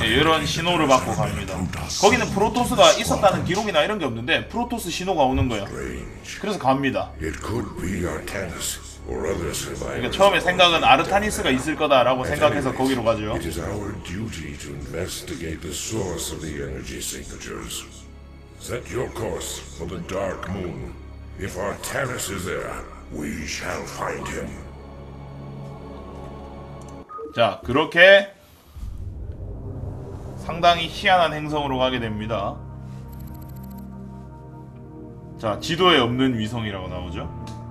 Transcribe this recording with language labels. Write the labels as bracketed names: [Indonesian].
[Korean] 예, 이런 신호를 받고 갑니다. 거기는 프로토스가 있었다는 기록이나 이런 게 없는데 프로토스 신호가 오는 거야. 그래서 갑니다. [English] It could be Artanis or other survivors. [Korean] 그러니까 처음에 생각은 아르타니스가 있을 거다라고 생각해서 거기로 가죠. [English] It is our duty to investigate the source of the energy signatures. Set your course for the dark moon. If Artanis is there, we shall find him. [Korean] 자, 그렇게 상당히 희한한 행성으로 가게 됩니다. 자, 지도에 없는 위성이라고 나오죠.